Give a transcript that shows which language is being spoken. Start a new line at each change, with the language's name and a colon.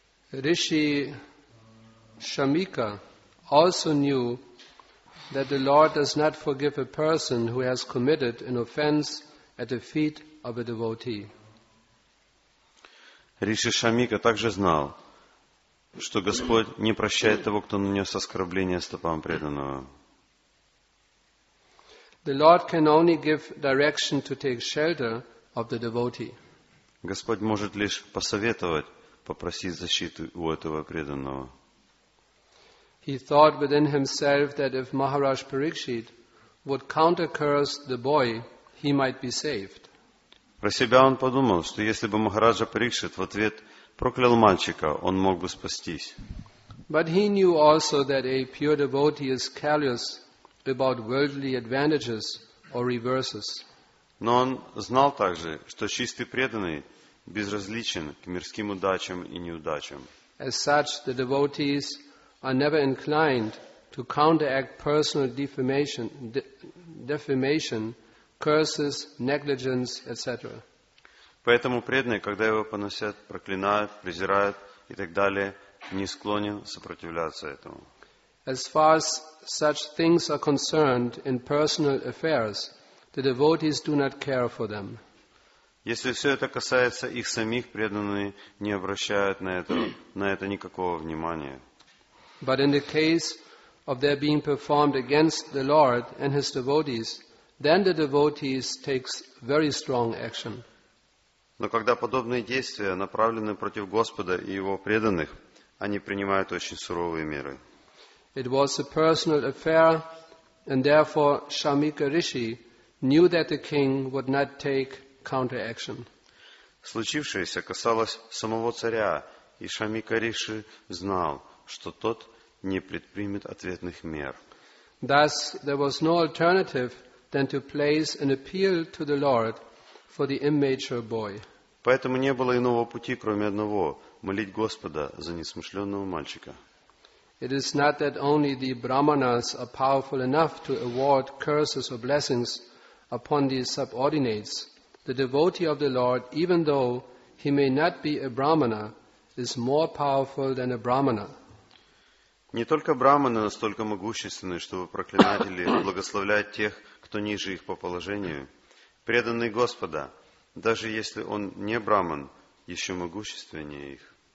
English: Риши Шамика also knew that the Lord does not forgive a person who has committed an offense at the feet of a devotee.
Russian: Риши Шамика также знал, что Господь не прощает того, кто нанес оскорбление стопам преданного.
English: The Lord can only give direction to take shelter of the devotee.
Russian: Господь может лишь посоветовать, попросить защиты у этого преданного.
English: He thought within himself that if Maharaj Parikshit would counter-curse the boy, he might be saved.
Russian: Про себя он подумал, что если бы Махараджа Парикшит в ответ проклял мальчика, он мог бы спастись.
English: But he knew also that a pure devotee is callous about worldly advantages or reverses.
Russian: Но он знал также, что чистый преданный безразличен к мирским удачам и неудачам.
English: As such, the devotees are never inclined to counteract personal defamation, curses, negligence, etc.
Russian: Поэтому преданный, когда его поносят, проклинают, презирают и так далее, не склонен сопротивляться этому.
English: As far as such things are concerned in personal affairs, the devotees do not care for them.
Russian: Если все это касается их самих, преданные не обращают на это никакого внимания.
English: But in the case of their being performed against the Lord and his devotees, then the devotees take very strong action.
Russian: Но когда подобные действия направлены против Господа и его преданных, они принимают очень суровые меры.
English: It was a personal affair, and therefore Shamika Rishi knew that the king would not take counteraction.
Russian: Случившееся касалось самого царя, и Шамика Риши знал, что тот не предпримет ответных мер.
English: Thus, there was no alternative than to place an appeal to the Lord for the immature boy.
Russian: Поэтому не было иного пути, кроме одного – молить Господа за несмышленного мальчика.
English: It is not that only the brahmanas are powerful enough to award curses or blessings upon the subordinates. The devotee of the Lord, even though he may not be a brahmana, is more powerful than a brahmana.
Russian: Не только брахманы настолько могущественны, чтобы проклинать или благословлять тех, кто ниже их по положению. Преданный Господа, даже если он не брахман, еще могущественнее их.